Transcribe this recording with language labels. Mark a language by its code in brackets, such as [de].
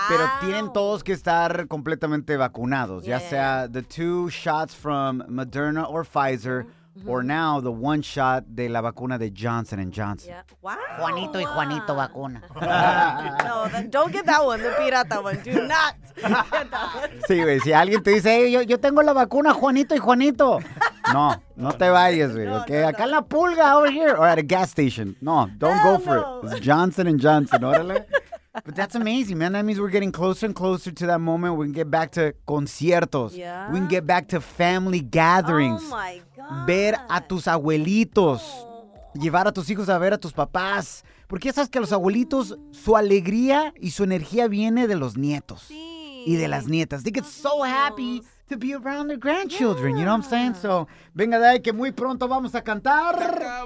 [es] Pero tienen todos que estar completamente vacunados. [en] Yeah. [es] Ya sea [en] the two shots from Moderna or Pfizer, or now the one shot [es] de la vacuna de Johnson & Johnson. [en] Yeah. Wow. [es] Juanito y Juanito vacuna. [en] No, don't get that one, the pirata one. Do not get that one. [es] Sí, güey, si alguien te dice, hey, yo tengo la vacuna, Juanito y Juanito. No te vayas, güey, okay? Acá en la pulga, [en] over here, or at a gas station. No, don't go for it. It's Johnson & Johnson, [es] órale. [en] But that's amazing, man. That means we're getting closer and closer to that moment. We can get back to conciertos. Yeah. We can get back to family gatherings. Oh, my God. [es] Ver a tus abuelitos. Oh. Llevar a tus hijos a ver a tus papás. Porque ya sabes que los abuelitos, su alegría y su energía viene de los nietos. Sí. Y de las nietas. [en] They get so happy to be around their grandchildren. Yeah. You know what I'm saying? [es] So, venga de ahí que muy pronto vamos a cantar.